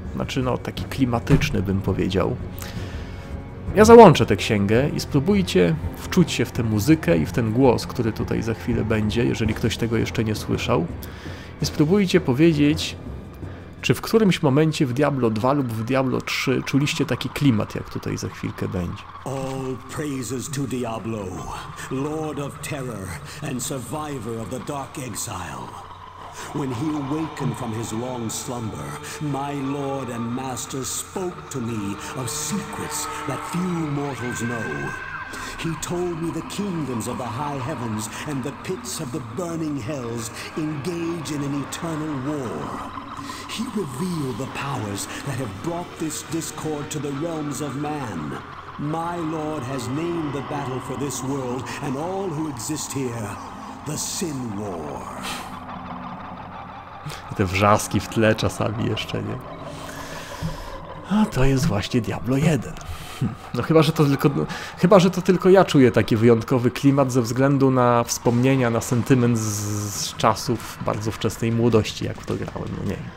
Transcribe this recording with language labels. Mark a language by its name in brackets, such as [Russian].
[Polish] Znaczy, no taki klimatyczny, bym powiedział. Ja załączę tę księgę i spróbujcie wczuć się w tę muzykę i w ten głos, który tutaj za chwilę będzie, jeżeli ktoś tego jeszcze nie słyszał. I spróbujcie powiedzieć, czy w którymś momencie w Diablo 2 lub w Diablo 3 czuliście taki klimat, jak tutaj za chwilkę będzie. [English] All praises to Diablo, Lord of Terror and survivor of the Dark Exile. When he awakened from his long slumber, my lord and master spoke to me of secrets that few mortals know. He told me the kingdoms of the high heavens and the pits of the burning hells engage in an eternal war. He revealed the powers that have brought this discord to the realms of man. My lord has named the battle for this world and all who exist here the Sin War. [Polish] Te wrzaski w tle czasami jeszcze, nie? A to jest właśnie Diablo 1. No chyba, że to tylko... No, chyba, że to tylko ja czuję taki wyjątkowy klimat ze względu na wspomnienia, na sentyment z czasów bardzo wczesnej młodości, jak w to grałem, no nie.